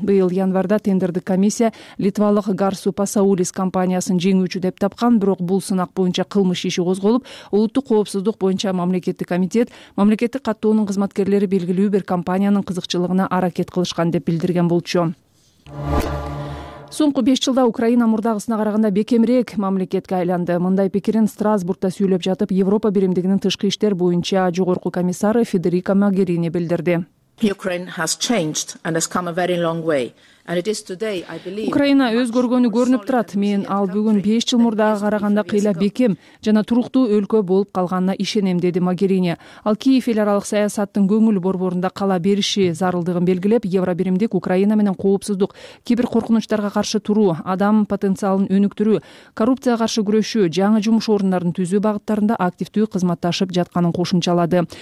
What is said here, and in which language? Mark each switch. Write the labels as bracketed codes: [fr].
[ky] Быйыл январда тендердик комиссия литвалык Гарсу Пасаулис компаниясын жеңүүчү деп тапкан, бирок бул сынак боюнча кылмыш иши козголуп, улуттук коопсуздук боюнча мамлекеттик комитет мамлекеттик каттоонун кызматкерлери белгилүү бир компаниянын кызыкчылыгына аракет кылышкан деп билдирген болчу. Соңку 5 жылда Украина мурдагысына караганда бекемирээк мамлекетке айланды. Мындай пикирин Страсбургда сүйлөп жатып Европа биримдигинин тышкы иштер боюнча жогорку комиссары Федерика Могерини билдирди. [en] Ukraine has changed and has come a very long way. And it is today, I believe. [ky] Украина өзгөргөнү көрүнүп турат. Мен ал бүгүн 5 жыл мурдагы караганда кыйла бекем жана туруктуу өлкө болуп калганына ишенем, деди Могерини. Ал Киев эл аралык саясаттын көңүл борборунда кала бериши зарылдыгын белгилеп, Евробиримдик Украина менен коопсуздук, кибер коркунучтарга каршы туруу, адам потенциалын өнүктүрүү, коррупцияга каршы күрөшүү, жаңы жумуш орундарын түзүү багыттарында активдүү кызматташып жатканын кошумчалады.